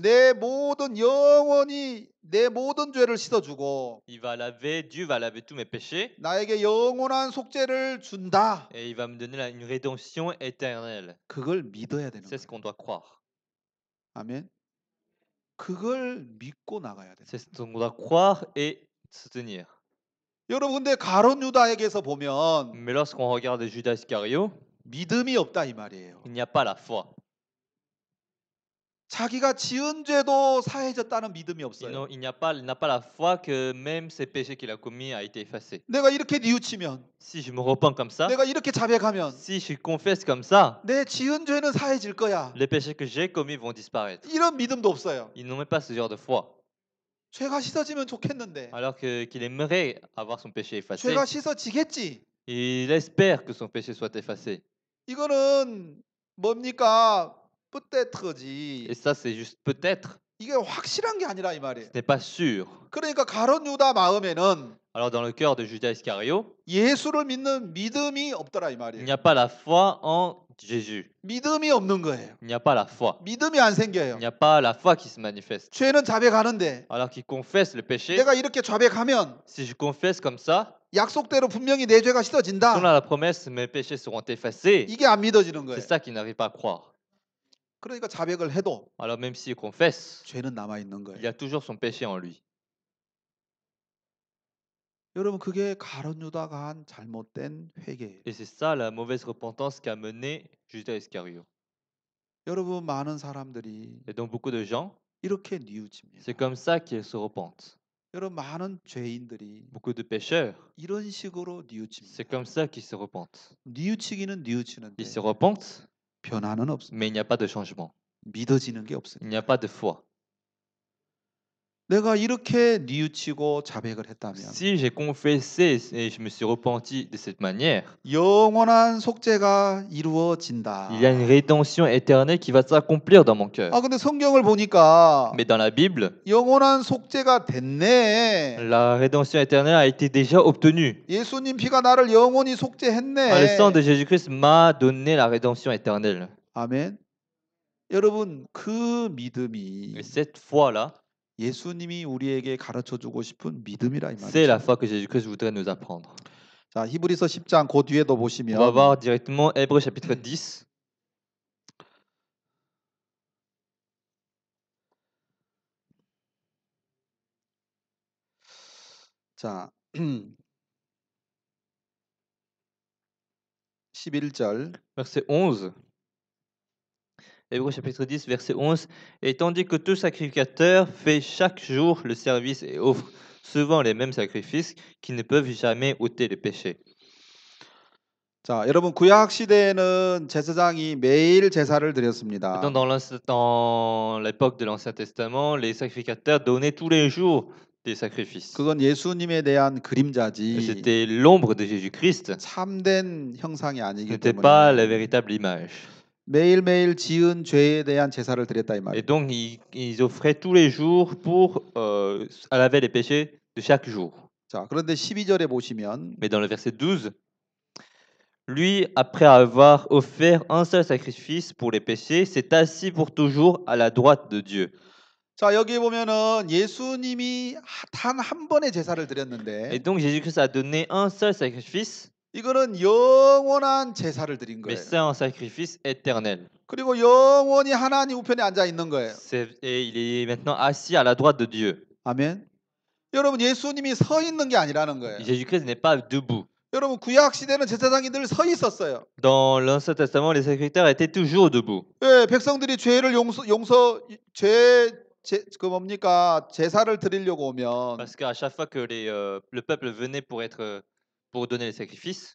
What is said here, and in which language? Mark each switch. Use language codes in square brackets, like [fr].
[ko] 내 모든 영원히 내 모든 죄를 씻어 주고 [fr] Il va laver Dieu va laver tous mes péchés [ko] 나에게 영원한 속죄를 준다. [fr] Et il va me donner une rédemption éternelle. [ko] 그걸 믿어야 되는 [fr] C'est ce qu'on doit croire. [ko] 아멘. 그걸 믿고 나가야 돼. [fr] C'est ce qu'on doit croire et soutenir. [ko] 여러분 근데 가룟 유다에게서 보면 [fr] Mais lorsqu'on regarde Judas Iscariot [ko] 믿음이 없다 이 말이에요. [fr] Il n'y a pas la foi. [ko] 자기가 지은 죄도 사해졌다는 믿음이 없어요. [fr] Il n'a pas la foi que même ses péchés qu'il a commis a été effacé. [ko] 내가 이렇게 뉘우치면 [fr] Si je me repens comme ça [ko] 내가 이렇게 자백하면 [fr] Si je confesse comme ça [ko] 내 지은 죄는 사해질 거야. [fr] Les péchés que j'ai commis vont disparaître. [ko] 이런 믿음도 없어요. [fr] Il n'a pas ce genre de foi. [ko] 죄가 씻어지면 좋겠는데. [fr] Alors qu'il aimerait avoir son péché effacé. [ko] 죄가 씻어지겠지. [fr] Il espère que son péché soit effacé. [ko] 이거는 뭡니까? [fr] Peut-être [ko] 지. [fr] Et ça c'est juste peut-être. [ko] 이게 확실한 게 아니라 이 말이에요. [fr] C'était pas sûr. [ko] 그러니까 가룟 유다 마음에는 [fr] Alors dans le cœur de Judas Iscariot, [ko] 예수를 믿는 믿음이 없더라 이 말이에요. [fr] Il n'y a pas la foi en Jésus. [ko] 믿음이 없는 거예요. [fr] Il n'y a pas la foi. [ko] 믿음이 안 생겨요. [fr] Il n'y a pas la foi qui se manifeste. [ko] 죄는 자백하는데. [fr] Alors qu'il confesse le péché. [ko] 내가 이렇게 자백하면 [fr] Si je confesse comme ça, [ko] 약속대로 분명히 내 죄가 씻어진다. [fr] Selon la promesse, mes péchés seront effacés. [ko] 이게 안 믿어지는 거예요. [fr] C'est ça qui n'arrive pas à croire. [ko] 그러니까 자백을 해도 [fr] Alors même s'il confesse, [ko] 죄는 남아 있는 거예요. [fr] Il y a toujours son péché en lui. [ko] 여러분 그게 가룟 유다가 한 잘못된 회개. [fr] Et c'est ça la mauvaise repentance qui a mené Judas Iscariot. [ko] 여러분 많은 사람들이 [fr] Et donc beaucoup de gens [ko] 이렇게 뉘우칩니다. [fr] C'est comme ça qu'ils se repentent. [ko] 여러분 많은 죄인들이 [fr] Beaucoup de pécheurs [ko] 이런 식으로 뉘우칩니다. [fr] C'est comme ça qu'ils se repentent. [ko] 뉘우치기는 뉘우치는데 [fr] Ils se repentent [ko] 변화는 없습니다. [fr] Mais il n'y a pas de changement. [ko] 믿어지는 게 없습니다. [fr] Il n'y a pas de foi. [ko] 내가 이렇게 뉘우치고 자백을 했다면 [fr] Si j'ai confessé et je me suis repenti de cette manière [ko] 영원한 속죄가 이루어진다. [fr] Il y a une rédemption éternelle qui va s'accomplir dans mon cœur. [ko] 아 근데 성경을 보니까 [fr] Mais dans la Bible [ko] 영원한 속죄가 됐네. [fr] La rédemption éternelle a été déjà obtenue. [ko] 예수님 피가 나를 영원히 속죄했네. [fr] Le sang de Jésus-Christ m'a donné la rédemption éternelle. [ko] 아멘. 여러분 그 믿음이 [fr] Et cette foi-là [ko] 예수님이 우리에게 가르쳐 주고 싶은 믿음이라 이 말이죠. [fr] C'est la foi que Jésus-Christ voudrait nous apprendre. [ko] 자, 히브리서 10장 그 뒤에도 보시면 [fr] On va voir directement Hébreux chapitre 10. [ko] 자. 11절. [fr] Verset 11. Hébreux chapitre 10, verset 11. Et tandis que tout sacrificateur fait chaque jour le service et offre souvent les mêmes sacrifices qui ne peuvent jamais ôter les péchés. [ko] 자, 여러분, 구약 시대에는 제사장이 매일 제사를 드렸습니다. [fr] Dans l'époque de l'Ancien Testament, les sacrificateurs donnaient tous les jours des sacrifices. [ko] 그건 예수님에 대한 그림자지. [fr] C'était l'ombre de Jésus-Christ. [ko] 참된 형상이 아니기 때문에. [fr] C'était pas la véritable image. [ko] 매일매일 지은 죄에 대한 제사를 드렸다 이 말이에요. [fr] Et donc ils offraient tous les jours pour laver les péchés de chaque jour. [ko] 자, 그런데 12절에 보시면 [fr] Mais dans le verset 12 lui après avoir offert un seul sacrifice pour les péchés s'est assis pour toujours à la droite de Dieu. [ko] 자, 여기 보면은 예수님이 단 한 번의 제사를 드렸는데 [fr] Et donc Jésus-Christ a donné un seul sacrifice [ko] 이거는 영원한 제사를 드린 거예요. [fr] Mais c'est un sacrifice éternel. [ko] 그리고 영원히 하나님 우편에 앉아 있는 거예요. [fr] C'est, et il est maintenant assis à la droite de Dieu. [ko] 아멘. 여러분 예수님이 서 있는 게 아니라는 거예요. [fr] Jésus-Christ n'est pas debout. [ko] 여러분 구약 시대는 제사장이 늘 서 있었어요. [fr] Dans l'Ancien Testament, les sacrificateurs étaient toujours debout. [ko] 예, 백성들이 죄를 용서 죄 그 뭡니까 제사를 드리려고 오면. [fr] Parce qu'à chaque fois que le peuple venait pour être pour donner les sacrifices.